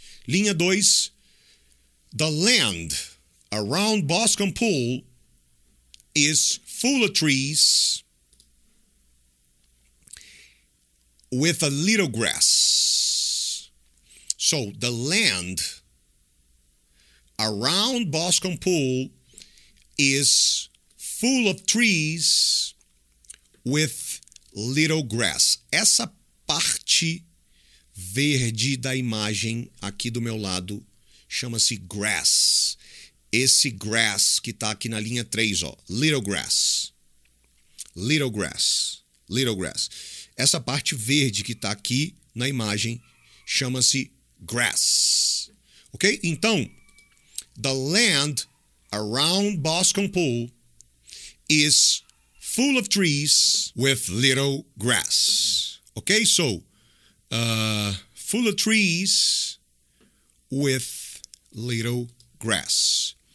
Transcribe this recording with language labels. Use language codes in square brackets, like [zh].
[pt] Linha 2, [en] the land around Boscombe Pool is full of trees with a little grass. So the land around Boscombe Pool is full of trees with little grass. [pt] Essa parte verde da imagem aqui do meu lado chama-se grass. Esse grass que está aqui na linha 3, ó. Little grass. [en] Little grass. Little grass. [pt] Essa parte verde que está aqui na imagem chama-se grass. Ok? [en] Então, the land around Boscombe Pool is full of trees with little grass. Ok? So, full of trees with little grass.